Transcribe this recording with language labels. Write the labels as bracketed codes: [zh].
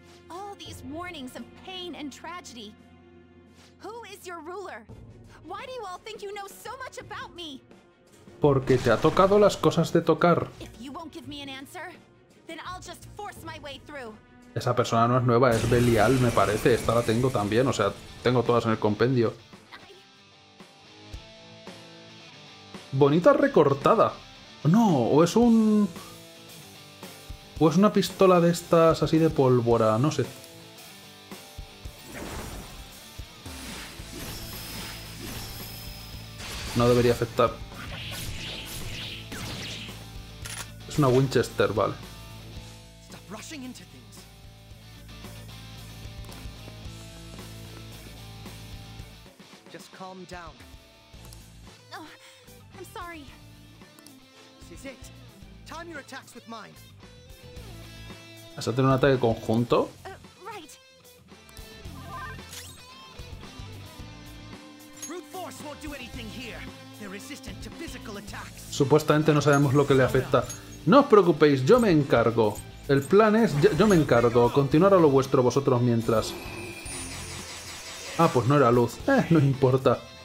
[en] All these warnings of pain and tragedy. Who is your ruler? Why do you all think you know so much about me? [es] Porque te ha tocado las cosas de tocar. [en] If you won't give me an answer, then I'll just force my way through. [es] Esa persona no es nueva, es Belial, me parece. Esta la tengo también, o sea, tengo todas en el compendio. Bonita recortada. No, o es un... O es una pistola de estas así de pólvora, no sé. no debería afectar. Es una Winchester, vale. [en] Stop rushing into things. Just calm down. Oh, I'm sorry. This is it. Time your attacks with mine. [es] ¿Vas a tener un ataque conjunto? [en] Right. Brute force won't do anything here. They're resistant to physical attacks. [es] Supuestamente no sabemos lo que le afecta. No os preocupéis, yo me encargo. El plan es, yo me encargo. Continuar a lo vuestro vosotros mientras. Ah, pues no era luz. No importa.